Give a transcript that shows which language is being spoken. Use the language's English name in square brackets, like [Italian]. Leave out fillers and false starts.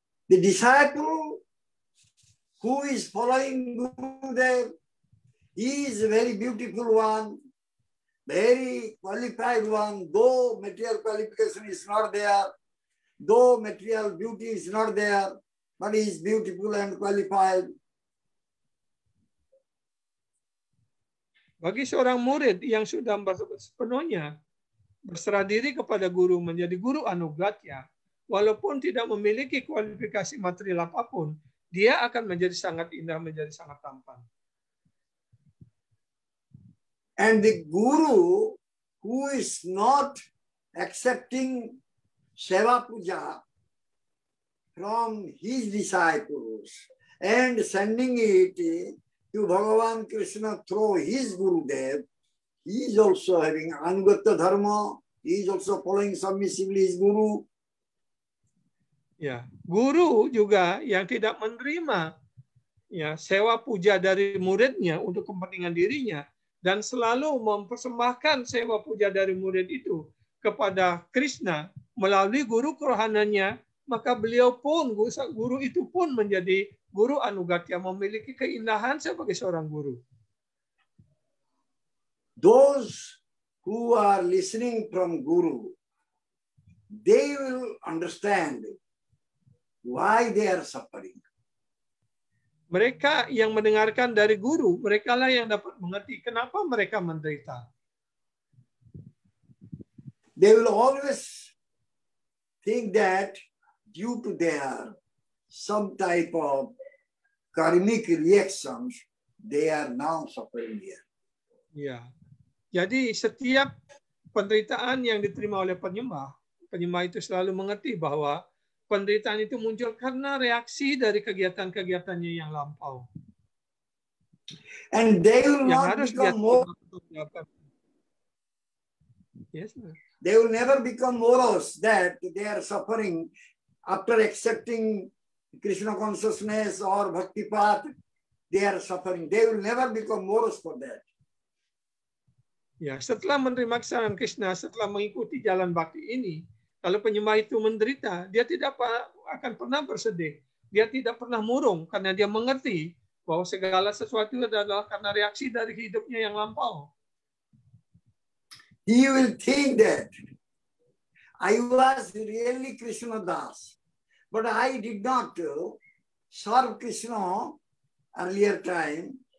[English] The disciple who is following guru there, he is a very beautiful one, very qualified one, though material qualification is not there, though material beauty is not there, but he is beautiful and qualified. [Indonesian] Bagi seorang murid yang sudah sepenuhnya berserah diri kepada guru, menjadi guru anugatya, walaupun tidak memiliki kualifikasi material apapun, dia akan menjadi sangat indah, menjadi sangat tampan. [English] And the guru who is not accepting seva puja from his disciples and sending it to Bhagavan Krishna through his Gurudev, he is also having anugatya dharma, he is also following submissively his guru. [Indonesian] Ya, guru juga yang tidak menerima ya seva puja dari muridnya untuk kepentingan dirinya dan selalu mempersembahkan seva puja dari murid itu kepada Krishna melalui guru kerohanannya, maka beliau pun, guru itu pun menjadi guru anugatya, memiliki keindahan sebagai seorang guru. [English] Those who are listening from guru, they will understand why they are suffering. [Indonesian] Mereka yang mendengarkan dari guru, merekalah yang dapat mengerti kenapa mereka menderita. [English] They will always think that due to their some type of karmic reactions, they are now suffering here. [Indonesian] Ya. Jadi setiap penderitaan yang diterima oleh penyembah, penyembah itu selalu mengerti bahwa penderitaan itu muncul karena reaksi dari kegiatan-kegiatannya yang lampau. [English] And they will yang not become more. Yes, sir. They will never become morose that they are suffering after accepting Krishna consciousness or bhakti path. They are suffering. They will never become morose for that. [Indonesian] Ya, setelah menerima kesalahan Krishna, setelah mengikuti jalan bhakti ini, kalau penyembah itu menderita, dia tidak akan pernah bersedih. Dia tidak pernah murung karena dia mengerti bahwa segala sesuatu adalah karena reaksi dari hidupnya yang lampau. [English] He will think that I was really Krishna Das, but I did not serve Krishna earlier time.